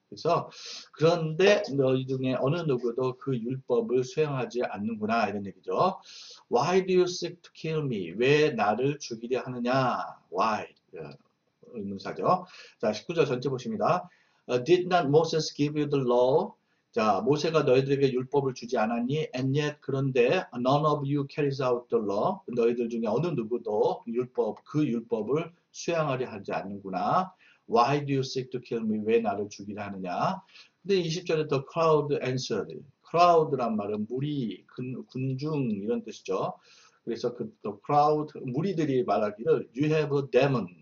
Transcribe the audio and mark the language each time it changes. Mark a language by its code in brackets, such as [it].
[ko] 그래서 그런데 너희 중에 어느 누구도 그 율법을 수행하지 않는구나 이런 얘기죠. [en] Why do you seek to kill me? [ko] 왜 나를 죽이려 하느냐? [en] Why? 의문사죠. [ko] 자, 19절 전체 보십니다. [en] Did not Moses give you the law? [ko] 자, 모세가 너희들에게 율법을 주지 않았니? [en] And yet, [ko] 그런데 [en] none of you carries out the law. [ko] 너희들 중에 어느 누구도 그 율법을 수행하려 하지 않는구나. [en] Why do you seek to kill me? [ko] 왜 나를 죽이려 하느냐? 근데 20절에 [en] the crowd answered. [ko] crowd란 말은 무리, 군중 이런 뜻이죠. 그래서 그 [en] the crowd [ko] 무리들이 말하기를 [en] you have a demon.